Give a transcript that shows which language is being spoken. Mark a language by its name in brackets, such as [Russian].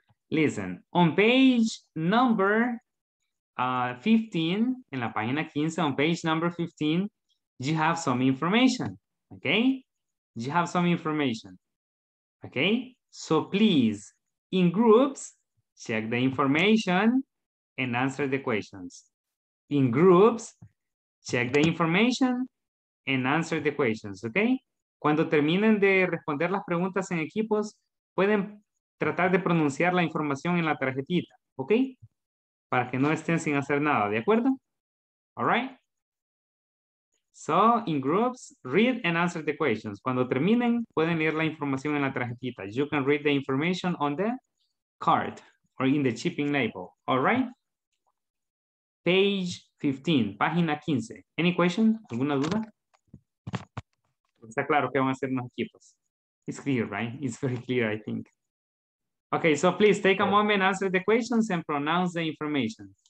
[English] Listen, on page number 15, [Spanish] en la página 15, [English] on page number 15, you have some information, okay? You have some information, okay? So please, in groups, check the information and answer the questions. In groups, check the information and answer the questions, okay? [Spanish] Cuando terminen de responder las preguntas en equipos, pueden tratar de pronunciar la información en la tarjetita, okay? Para que no estén sin hacer nada, ¿de acuerdo? [English] All right? So, in groups, read and answer the questions. [Spanish] Cuando terminen, pueden leer la información en la tarjetita. [English] You can read the information on the card or in the shipping label. All right? Page 15, página 15. Any question? [Spanish] ¿Alguna duda? Está claro que van a hacer unos equipos. [English] It's clear, right? It's very clear, I think. Okay, so please take a moment, answer the questions and pronounce the information.